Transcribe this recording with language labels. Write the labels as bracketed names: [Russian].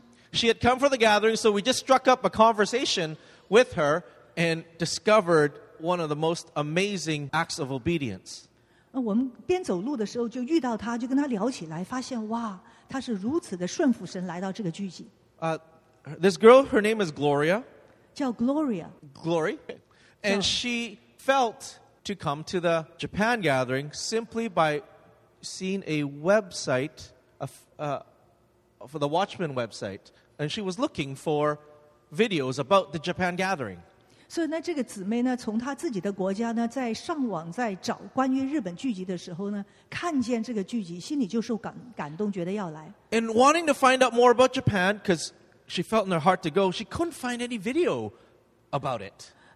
[English] She had come for the gathering, so we just struck up a conversation with her and discovered one of the most amazing acts of obedience. [Chinese] 我们边走路的时候就遇到她，就跟她聊起来，发现哇，她是如此的顺服神来到这个聚集。 [English] This girl, her name is Gloria. [Chinese] 叫 Gloria. [English] Glory. And she felt to come to the Japan gathering simply by seeing a website, for the Watchman website, and she was looking for videos about the Japan gathering. [Chinese] So, 那这个姊妹呢，从她自己的国家呢，在上网在找关于日本聚集的时候呢，看见这个聚集，心里就受感动，觉得要来。 [English] And wanting to find out more about Japan, because she felt in her heart to go, she couldn't find any video about it.